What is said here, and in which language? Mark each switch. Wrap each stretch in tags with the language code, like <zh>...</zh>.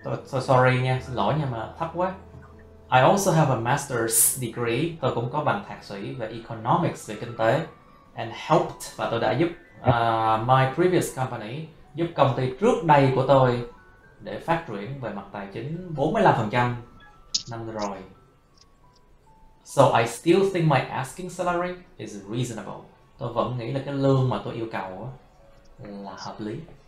<vi>Sorry nha, xin lỗi nha mà thấp quá.</vi> <en>I also have a master's degree.</en> <vi>Tôi cũng có bằng thạc sĩ về economics, về kinh tế.</vi> <en>And helped,</en> <vi>và tôi đã giúp</vi> <en>my previous company,</en> <vi>giúp công ty trước đây của tôi để phát triển về mặt tài chính 45% năm rồi.</vi> <en>So I still think my asking salary is reasonable.</en> <vi>Tôi vẫn nghĩ là cái lương mà tôi yêu cầu là hợp lý.</vi>